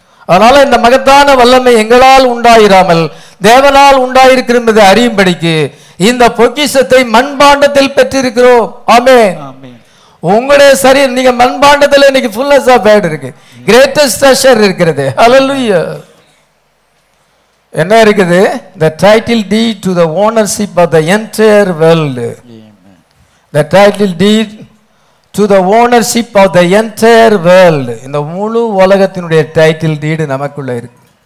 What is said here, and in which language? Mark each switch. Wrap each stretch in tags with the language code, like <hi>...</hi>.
<ta>அதனால இந்த மகத்தான வல்லமை எங்களால் உண்டாயிராமல் தேவனால் உண்டாயிருக்கிறது அறியும்படிக்கு இந்த பொக்கிஷத்தை மண்பாண்டத்தில் பெற்றிருக்கிறோம். ஆமே. உங்களுடைய சரி, நீங்க மண்பாண்டத்தில் இன்னைக்கு</ta> <en>greatest treasure</en> <ta>இருக்கிறது. ஹல்லேலூயா. என்ன இருக்குது?</ta> <en>The title deed to the ownership of the entire world. The title deed to the ownership of the entire world.</en> <ta>இந்த முழு உலகத்தினுடைய டைட்டில் டீடு நமக்குள்ள இருக்கு.</ta>